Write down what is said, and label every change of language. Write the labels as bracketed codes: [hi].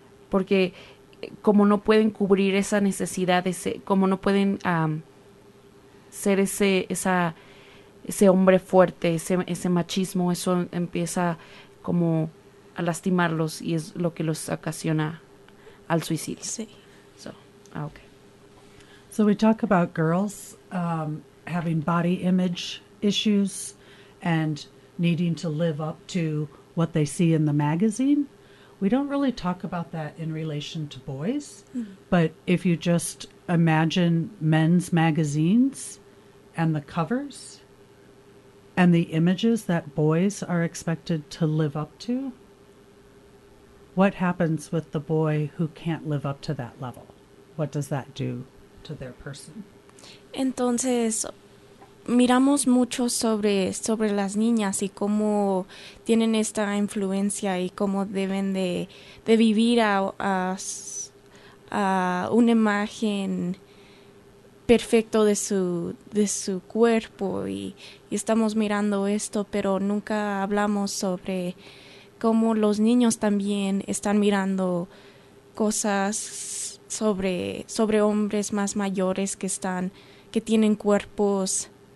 [es] Porque como no pueden cubrir esa necesidad, como no pueden ser ese hombre fuerte, ese machismo, eso empieza como a lastimarlos y es lo que los ocasiona al suicidio. Sí. Okay. [en] So we talk about girls having body image issues and needing to live up to what they see in the magazine. We don't really talk about that in relation to boys, but if you just imagine men's magazines and the covers and the images that boys are expected to live up to, what happens with the boy who can't live up to that level? What does that do to their person? [es] Entonces... Miramos mucho sobre las niñas y cómo tienen esta influencia y cómo deben de vivir a una imagen perfecto de su cuerpo y estamos mirando esto, pero nunca hablamos sobre cómo los niños también están mirando cosas sobre hombres más mayores que tienen cuerpos...